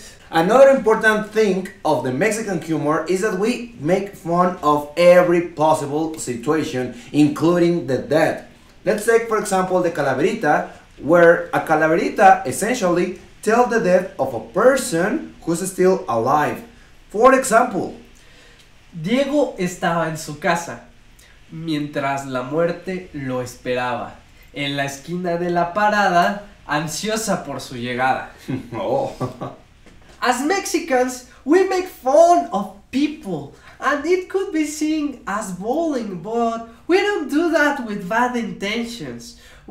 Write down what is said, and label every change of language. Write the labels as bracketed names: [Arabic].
[English] Another important thing of the Mexican humor is that we make fun of every possible situation, including the dead. Let's take, for example, the calaverita, where a calaverita essentially tell the death of a person who's still alive. For example, [Spanish] Diego estaba en su casa mientras la muerte lo esperaba en la esquina de la parada, ansiosa por su llegada. [English] Oh. As Mexicans, we make fun of people and it could be seen as bullying, but we don't do that with bad intentions.